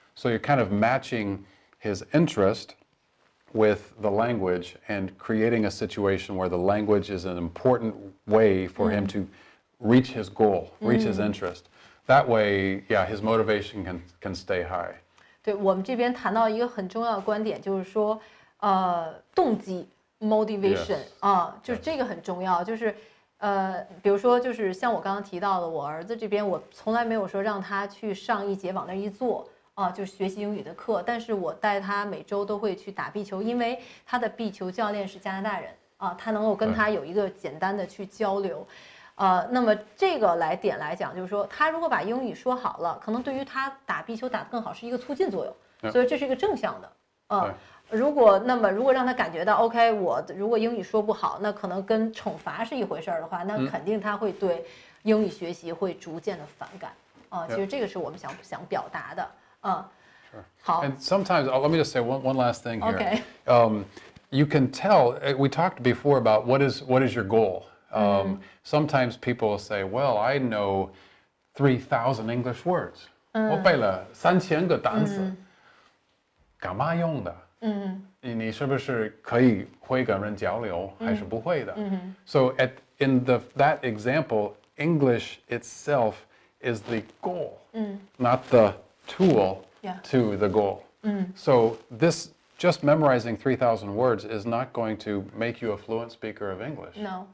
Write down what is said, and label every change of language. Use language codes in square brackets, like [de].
[en] So you're kind of matching his interest with the language and creating a situation where the language is an important way for, mm-hmm, him to reach his goal, reach, mm-hmm, his interest. That way, yeah, his motivation can stay high. [zh] 对，我们这边谈到一个很重要的观点，就是说，动机。 [en] Motivation, yes. [zh] 啊，就是这个很重要，就是，比如说，就是像我刚刚提到的，我儿子这边，我从来没有说让他去上一节往那一坐啊，就是学习英语的课，但是我带他每周都会去打壁球，因为他的壁球教练是加拿大人啊，他能够跟他有一个简单的去交流，那么这个来点来讲，就是说他如果把英语说好了，可能对于他打壁球打得更好是一个促进作用，所以这是一个正向的，啊。如果让他感觉到 OK， 我如果英语说不好，那可能跟惩罚是一回事的话，那肯定他会对英语学习会逐渐的反感。其实这个是我们想表达的。好。 [en] And sometimes, let me just say one last thing here. Okay. You can tell, we talked before about what is your goal. Sometimes people say, well, I know 3,000 English words. [zh] 我背了3000个单词。干嘛用的？嗯，你是不是可以会跟人交流，还是不会的？嗯哼。 [en] So in that example, English itself is the goal, not the tool to the goal. So this just memorizing 3,000 words is not going to make you a fluent speaker of English. No.